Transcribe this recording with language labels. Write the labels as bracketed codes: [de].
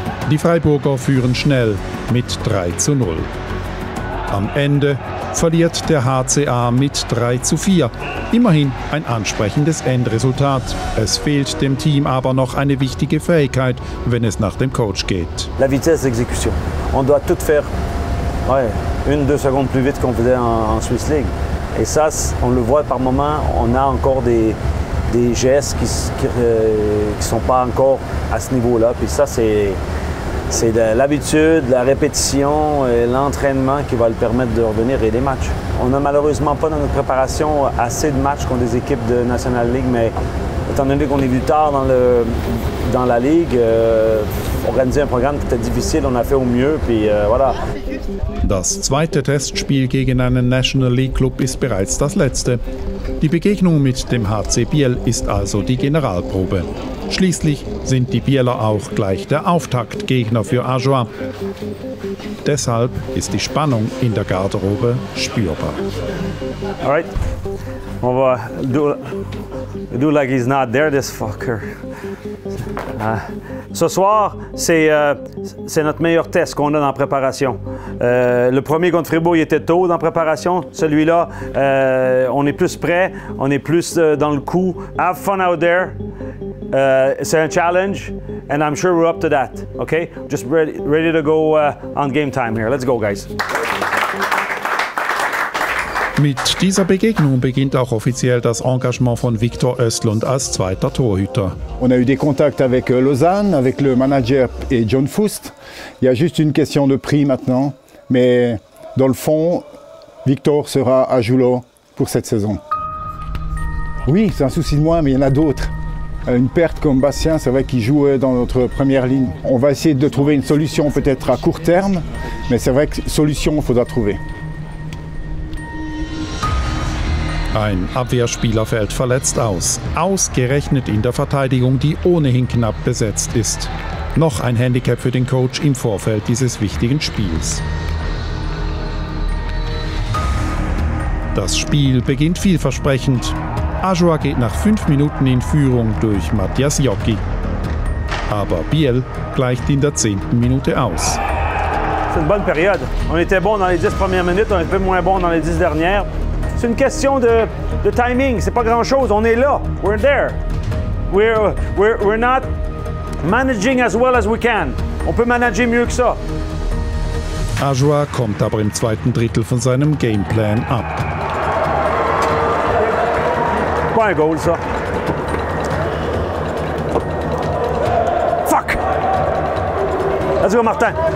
[de] Die Freiburger führen schnell mit 3:0. Am Ende verliert der HCA mit 3:4. Immerhin ein ansprechendes Endresultat. Es fehlt dem Team aber noch eine wichtige Fähigkeit, wenn es nach dem Coach geht. [fr] La vitesse d'exécution. On doit tout faire. Ouais, 1-2 secondes plus vite qu'on faisait en Swiss League. Et ça, on le voit par moments, on a encore des gestes qui sont pas encore à ce niveau-là. Puis ça, c'est de l'habitude, la répétition et l'entraînement qui va le permettre de revenir et les matchs. On n'a malheureusement pas dans notre préparation assez de matchs contre des équipes de National League, mais étant donné qu'on est venu tard dans la Ligue, organiser un programme qui était difficile, on a fait au mieux, puis voilà. [de] Das zweite Testspiel gegen einen National League Club ist bereits das letzte. Die Begegnung mit dem HC Biel ist also die Generalprobe. Schließlich sind die Bieler auch gleich der Auftaktgegner für Ajoa. Deshalb ist die Spannung in der Garderobe spürbar. [en] All right. [fr] On va [en] do like he's not there, this fucker. [fr] Ce soir, c'est notre meilleur test qu'on a dans la préparation. Le premier contre Fribourg, il était tôt dans la préparation. Celui-là, on est plus prêt, on est plus dans le coup. [en] Have fun out there. [fr] C'est un challenge, [en] and I'm sure we're up to that. Okay? Just ready to go on game time here. Let's go, guys. [de] Mit dieser Begegnung beginnt auch offiziell das Engagement von Victor Östlund als zweiter Torhüter. [fr] On a eu des contacts avec Lausanne, avec le manager et John Fust. Il y a juste une question de prix maintenant, mais dans le fond, Victor sera à Julot pour cette saison. Oui, c'est un souci de moi, mais il y en a d'autres. Une perte comme Bastien, c'est vrai qu'il joue dans notre première ligne. On va essayer de trouver une solution, peut-être à court terme, mais c'est vrai que solution, il faudra trouver. [de] Ein Abwehrspieler fällt verletzt aus. Ausgerechnet in der Verteidigung, die ohnehin knapp besetzt ist. Noch ein Handicap für den Coach im Vorfeld dieses wichtigen Spiels. Das Spiel beginnt vielversprechend. Ajoa geht nach 5 Minuten in Führung durch Matthias Jocki. Aber Biel gleicht in der 10. Minute aus. [fr] C'est une bonne période. On était bon dans les 10 premières minutes, on est un peu moins bon dans les 10 dernières. C'est une question de timing, c'est pas grand-chose, on est là. [en] We're there. We're not managing as well as we can. [fr] On peut manager mieux que ça. [de] Ajoa kommt aber im zweiten Drittel von seinem Gameplan ab. [fr] Pas un goal, ça. [en] Fuck! Let's go, Martin.